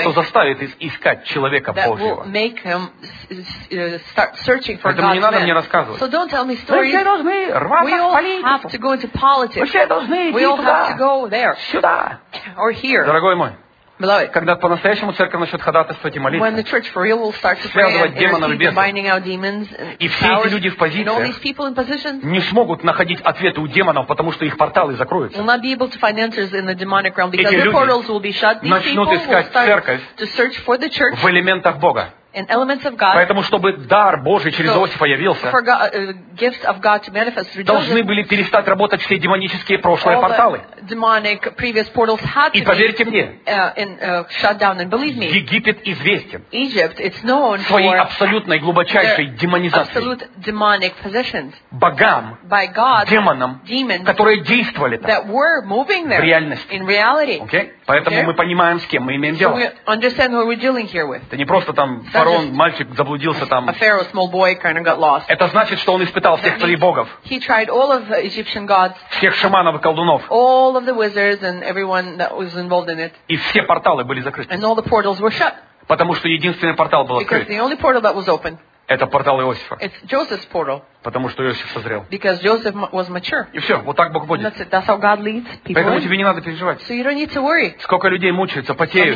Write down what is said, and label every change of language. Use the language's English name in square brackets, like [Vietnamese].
[Russian] что заставит их искать человека [English] that [Russian] Божьего. [English] Will make him start searching for [Russian] Поэтому [English] God's [Russian] не надо [English] men. [Russian] Мне рассказывать. [English] So don't tell me stories. [Russian] Мы все должны рваться [English] we [Russian] в политику. [English] Have to go into politics. [Russian] Мы все должны идти [English] we all [Russian] туда. [English] Have to go there. [Russian] Сюда. [English] Or here. [Russian] Дорогой мой, [English] Beloved, [Russian] когда по-настоящему церковь начнет ходатайствовать и молиться, [English] when the church for real will start to pray and binding out demons and [Russian] и все эти люди в позициях не смогут находить ответы у демонов, потому что их порталы закроются. [English] Will not be able to find answers in the demonic realm because their portals will be shut. These [Russian] начнут искать церковь [English] to search for the church [Russian] в элементах Бога. [English] In elements of God. [Russian] Поэтому, чтобы дар Божий через Иосифа явился, [English] for God, gifts of God to manifest through [Russian] должны [English] Joseph, [Russian] были перестать работать все демонические прошлые порталы. [English] Demonic previous portals had [Russian] и поверьте мне, [English] shut down. And believe me, [Russian] Египет известен [English] Egypt, it's known [Russian] своей [English] for [Russian] абсолютной глубочайшей демонизацией. Богам, [English] by God, [Russian] демонам, [English] demons, [Russian] которые действовали там, [English] that were moving there, [Russian] в реальности. [English] In reality. Okay? [Russian] Поэтому [English] okay? [Russian] мы понимаем, с кем мы имеем дело. [English] So we understand what we're dealing here with. [Russian] Это не просто там фараон, мальчик заблудился там. [English] A pharaoh, small boy, kind of got lost. [Russian] Это значит, что он испытал всех троих богов. [English] He tried all of the Egyptian gods. [Russian] Всех шаманов и колдунов. [English] All of the wizards and everyone that was involved in it. [Russian] И все порталы были закрыты. [English] And all the portals were shut. [Russian] Потому что единственный портал был открыт. [English] Because the only portal that was open. [Russian] Это портал Иосифа. [English] It's Joseph's portal. [Russian] Потому что Иосиф созрел. [English] Because Joseph was mature. [Russian] И все, вот так Бог будет. [English] That's it. That's how God leads people. [Russian] Поэтому тебе не надо переживать. [English] So you don't need to worry. [Russian] Сколько людей мучаются, потеют.